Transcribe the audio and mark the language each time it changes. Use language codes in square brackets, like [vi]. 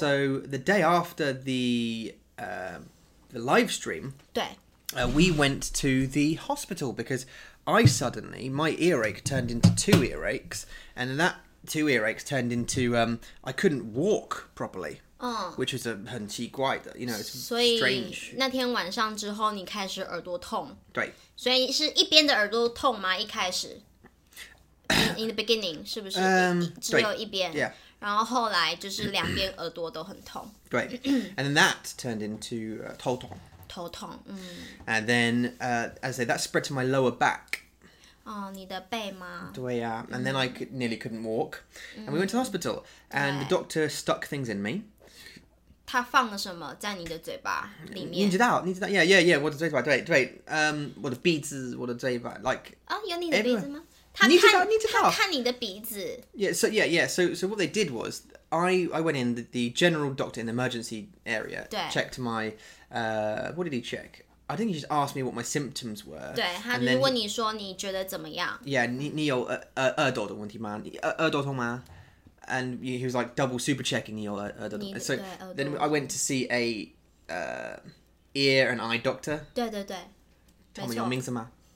[en] So the day after the live stream, [zh] 对。 [en] We went to the hospital because I suddenly, my earache turned into two earaches. And that two earaches turned into, I couldn't walk properly. Which was a [zh] 很奇怪的 [en] you know, it's strange. [zh] 所以那天晚上之后你开始耳朵痛。对。所以是一边的耳朵痛吗？一开始 ， [en] in the beginning [zh] 是不是只有一边？ [en] Yeah. [zh] 然后后来就是两边耳朵都很痛。 [en] 对 ，and then that turned into [zh] 头痛。头痛， [en] And then as I say, that spread to my lower back. [zh] 哦，你的背吗？ [en] 对呀、and then I nearly couldn't walk. And we went to the hospital, and the doctor stuck things in me. [zh] 他放了什么在你的嘴巴里面？你知道 ， [en] Yeah, yeah, yeah. [zh] 我的嘴巴，对，我的鼻子，我的嘴巴 ，like 啊、oh, ，有你的鼻子吗？ Everyone. 你知道，他看你的鼻子。 [en] Yeah, so yeah, yeah. So what they did was, I went in the general doctor in the emergency area, checked my, what did he check? I think you just asked me what my symptoms were. [zh] 对，他就问你说你觉得怎么样？Yeah，你有耳朵的问题吗？耳朵痛吗？ [en] And he was like double super checking your耳朵。 [zh] 你的耳朵。 [en] So then I went to see a ear and eye doctor. [zh] 对对对，没错。他们有名字吗？